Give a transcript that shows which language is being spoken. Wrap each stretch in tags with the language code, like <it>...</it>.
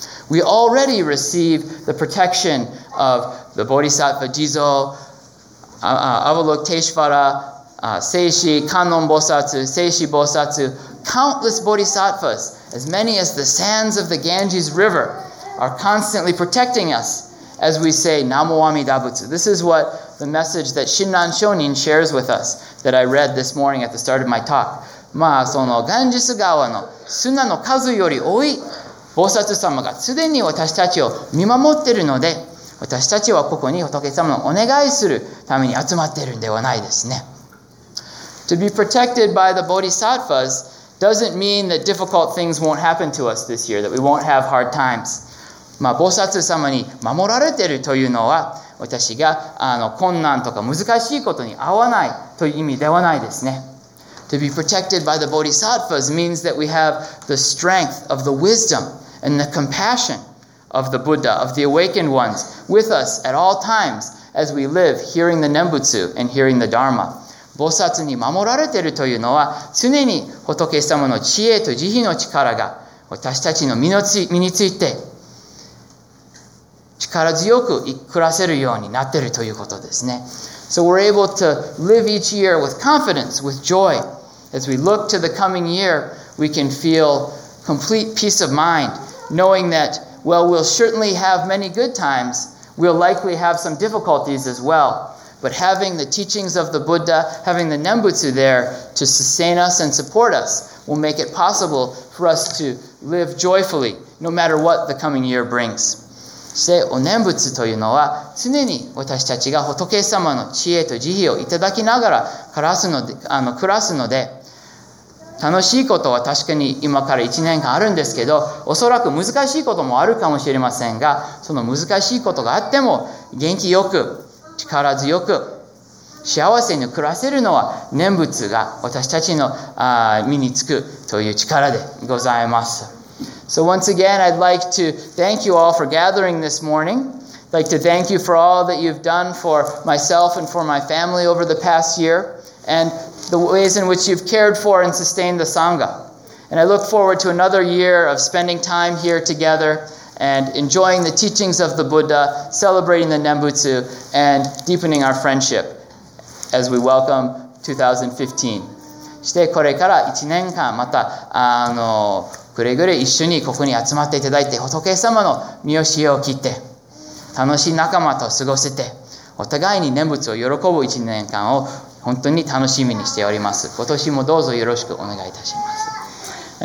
<en>We already receive the protection of the Bodhisattva Jizo, Avalokiteshvara, Seishi, Kannon Bosatsu, Seishi Bosatsu, countless Bodhisattvas, as many as the sands of the Ganges River, are constantly protecting us as we say Namo Amida Butsu. This is what the message that Shinran Shonin shares with us. That I read this morning at the start of my talk.</en> <ja>まあそのガンジス川の砂の数より多い菩薩様が常に私たちを見守っているので、私たちはここに仏様のお願いするために集まっているんではないですね。</ja> <en>To be protected by the bodhisattvas doesn't mean that difficult things won't happen to us this year, that we won't have hard times.</en> <ja>まあ菩薩様に守られているというのは、私が困難とか難しいことに合わないという意味ではないですね。</ja> <en>To be protected by the bodhisattvas means that we have the strength of the wisdom and the compassion of the Buddha, of the awakened ones, with us at all times as we live hearing the Nembutsu and hearing the Dharma.</en> <ja>菩薩に守られているというのは常に仏様の知恵と慈悲の力が私たちの身について力強く暮らせるようになっているということですね。</ja> <en>So we're able to live each year with confidence, with joy. As we look to the coming year, we can feel complete peace of mind, knowing that, well, we'll certainly have many good times, we'll likely have some difficulties as well. But having the teachings of the Buddha, having the Nembutsu there to sustain us and support us, will make it possible for us to live joyfully, no matter what the coming year brings.</en> <ja>そしてお念仏というのは常に私たちが仏様の知恵と慈悲をいただきながら暮らすので楽しいことは確かに今から1年間あるんですけどおそらく難しいこともあるかもしれませんがその難しいことがあっても元気よく力強く幸せに暮らせるのは念仏が私たちの身につくという力でございます。</ja> <en>So once again, I'd like to thank you all for gathering this morning. I'd like to thank you for all that you've done for myself and for my family over the past year, and the ways in which you've cared for and sustained the Sangha. And I look forward to another year of spending time here together and enjoying the teachings of the Buddha, celebrating the Nembutsu, and deepening our friendship as we welcome 2015.</en> <ja>そしてこれから1年間またくれぐれ一緒にここに集まっていただいて仏様の身を教えを聞いて楽しい仲間と過ごせてお互いに念仏を喜ぶ一年間を本当に楽しみにしております今年もどうぞよろしくお願いいたします</ja>